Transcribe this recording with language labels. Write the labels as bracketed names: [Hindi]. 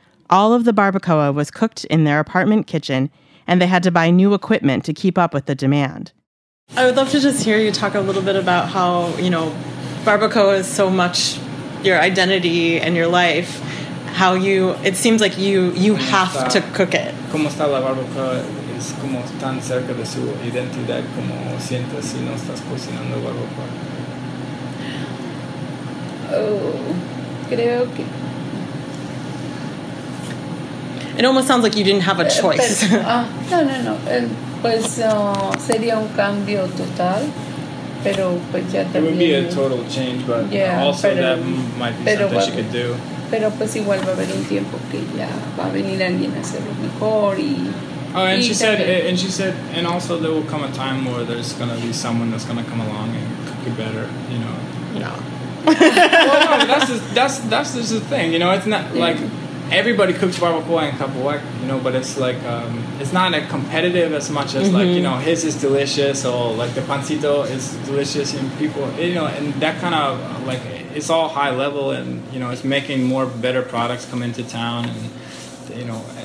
[English] All of the barbacoa was cooked in their apartment kitchen, and they had to buy new equipment to keep up with the demand. I would love to just hear you talk a little bit about how, you know, barbacoa is so much your identity and your life, how you, it seems like you have to cook it. [Spanish] ¿Cómo está la barbacoa? Es como tan cerca de su identidad, como sientes si no estás cocinando barbacoa. Oh, creo que... [English] It almost sounds like you didn't have a choice. No. [Spanish] Pues sería un cambio total, pero pues ya también. [English] It would be a total change, but yeah, also [Spanish] pero, [English] that might be something she could do. [Spanish] Pero pues igual va a haber un tiempo que ya va a venir alguien a hacerlo mejor y. [English] Oh, and she said, and also there will come a time where there's gonna be someone that's gonna come along and cook it better, you know. No. that's just the thing, you know. It's not like. Everybody cooks barbacoa in Capuac, you know, but it's like, it's not a competitive as much as, mm-hmm, like, you know, his is delicious, or like the pancito is delicious, and people, you know, and that kind of, like, it's all high level, and, you know, it's making more better products come into town, and, you know,